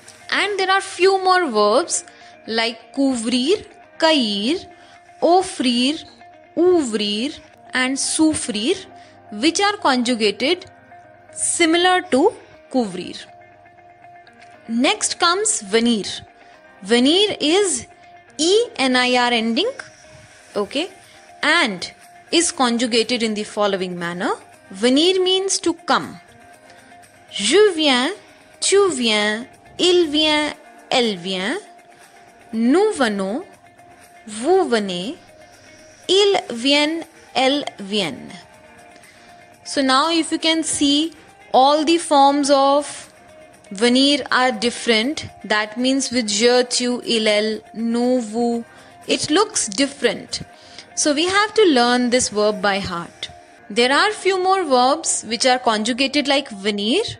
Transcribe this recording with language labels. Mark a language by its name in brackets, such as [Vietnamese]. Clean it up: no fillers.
[English] And there are few more verbs like couvrir, cair, offrir, ouvrir, and souffrir, which are conjugated similar to couvrir. Next comes venir. Venir is ENIR ending, okay, and is conjugated in the following manner. Venir means to come. [French] Je viens, tu viens, il vient, elle vient, nous venons, vous venez, ils viennent, elles viennent. [English] So now if you can see, all the forms of venir are different. That means with je, tu, il, elle, nous, vous, it looks different. So we have to learn this verb by heart. There are few more verbs which are conjugated like venir.